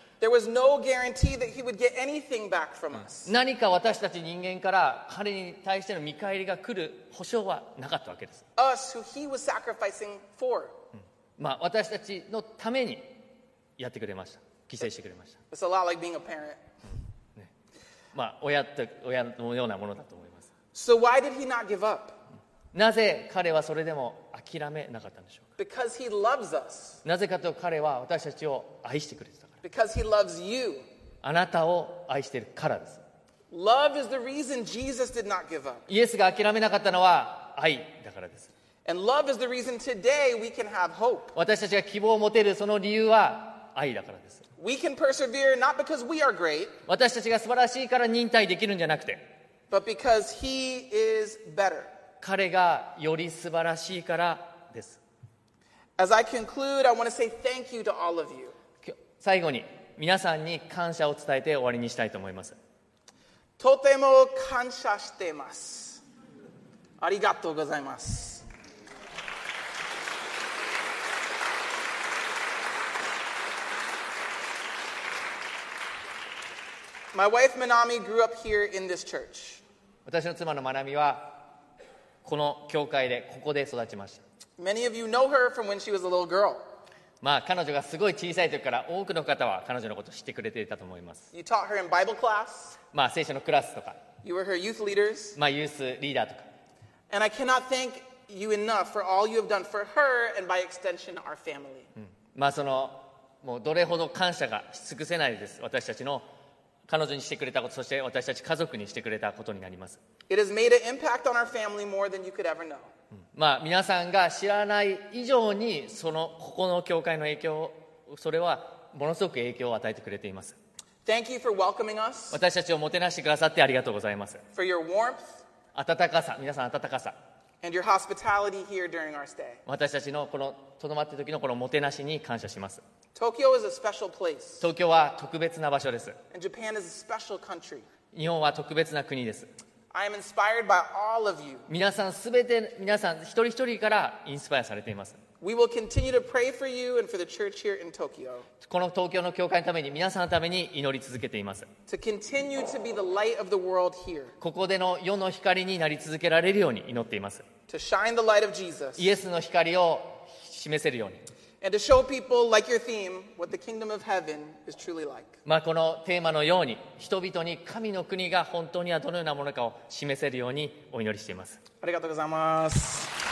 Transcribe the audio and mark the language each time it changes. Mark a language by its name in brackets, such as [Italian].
[English] There was no guarantee that he would get anything back from us. [Japanese] 何か私たち人間から彼に対しての見返りが来る保証はなかったわけです。 [English] Us who he was sacrificing for. [Japanese] まあ私たちのためにやってくれました。犠牲してくれました。 [English] It's a lot like being a parent. [Japanese] まあ親のようなものだと思います。 [English] So why did he not give up? [Japanese] なぜ彼はそれでも諦めなかったんでしょうか。 [English] Because he loves us. [Japanese] なぜかと彼は私たちを愛してくれてた。 [English] Because he loves you. [Japanese] あなたを愛しているからです。 [English] Love is the reason Jesus did not give up. [Japanese] イエスが諦めなかったのは愛だからです。 [English] And love is the reason today we can have hope. [Japanese] 私たちが希望を持てるその理由は愛だからです。 [English] We can persevere not because we are great. [Japanese] 私たちが素晴らしいから忍耐できるんじゃなくて。 [English] But because he is better. [Japanese] 彼がより素晴らしいからです。 [English] As I conclude, I want to say thank you to all of you. [Japanese] 最後に皆さんに感謝を伝えて終わりにしたいと思います。とても感謝しています。ありがとうございます。 [English] My wife Manami grew up here in this church. [Japanese] 私の妻のマナミはこの教会でここで育ちました。 [English] Many of you know her from when she was a little girl. [Japanese] まあ、彼女がすごい小さい時から多くの方は彼女のことを知ってくれていたと思います。 [English] You taught her in Bible class. [Japanese] まあ、聖書のクラスとか。 [English] You were her youth leaders. [Japanese] まあ、ユースリーダーとか。 [English] And I cannot thank you enough for all you have done for her and by extension our family. [Japanese] まあ、その、もうどれほど感謝がし尽くせないです。私たちの彼女にしてくれたこと、そして私たち家族にしてくれたことになります。 [English] It has made an impact on our family more than you could ever know. [Japanese] まあ、皆さんが知らない以上にそのここの教会の影響それはものすごく影響を与えてくれています。 [English] Thank you for welcoming us. [Japanese] 私たちをもてなしてくださってありがとうございます。 [English] For your warmth. [Japanese] 温かさ、皆さん温かさ。 [English] And your hospitality here during our stay. [Japanese] 私たちのこの留まった時のこのもてなしに感謝します。 [English] Tokyo is a special place. [Japanese] 東京は特別な場所です。 [English] And Japan is a special country. [Japanese] 日本は特別な国です。 [English] I am inspired by all of you. [Japanese] 皆さん全て皆さん一人一人からインスパイアされています。 [English] We will continue to pray for you and for the church here in Tokyo. [Japanese] この東京の教会のために皆さんのために祈り続けています。 [English] To continue to be the light of the world here. [Japanese] ここでの世の光になり続けられるように祈っています。 [English] To shine the light of Jesus. [Japanese] イエスの光を示せるように。 [English] And to show people like your theme what the kingdom of heaven is truly like. [Japanese] まあこのテーマのように人々に神の国が本当にはどのようなものかを示せるようにお祈りしています。ありがとうございます。